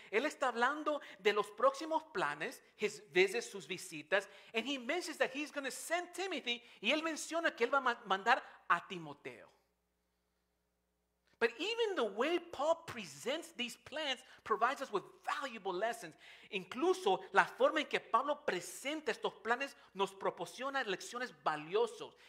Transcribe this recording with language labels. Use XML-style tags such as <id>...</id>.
<es>Él está hablando de los próximos planes,</es> <en>his visits,</en> <es>sus visitas.</es> <en>And he mentions that he's going to send Timothy.</en> <es>Y él menciona que él va a mandar a Timoteo.</es> <en>But even the way Paul presents these plans provides us with valuable lessons.</en> <es>Incluso la forma en que Pablo presenta estos planes nos proporciona lecciones valiosas.</es>